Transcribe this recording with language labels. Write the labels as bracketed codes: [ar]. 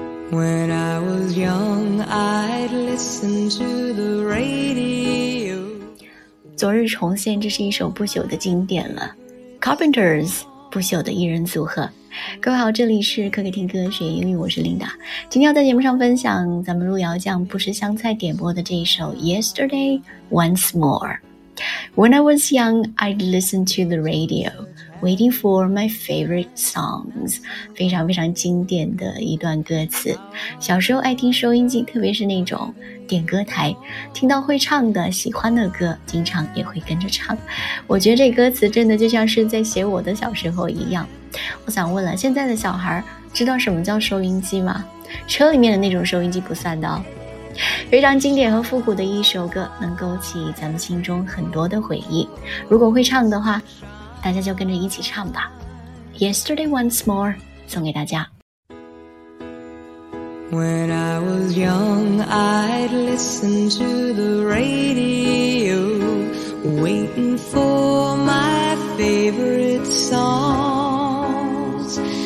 [en] When I was young, I'd listen to the radio. [zh] 昨日重现，这是一首不朽的经典了。Carpenters, 不朽的艺人组合。各位好，这里是可可听歌学英语，我是琳达。今天要在节目上分享咱们路遥酱不吃香菜点播的这一首 Yesterday Once More。 [en] When I was young, I'd listen to the radio, waiting for my favorite songs. [zh] 非常非常经典的一段歌词。小时候爱听收音机，特别是那种点歌台，听到会唱的、喜欢的歌，经常也会跟着唱。我觉得这歌词真的就像是在写我的小时候一样。我想问了，现在的小孩知道什么叫收音机吗？车里面的那种收音机不算的哦。非常经典和复古的一首歌，能勾起咱们心中很多的回忆。如果会唱的话，大家就跟着一起唱吧。 Yesterday Once More 送给大家。 [en] When I was young, I'd listen to the radio, waiting for my favorite songs.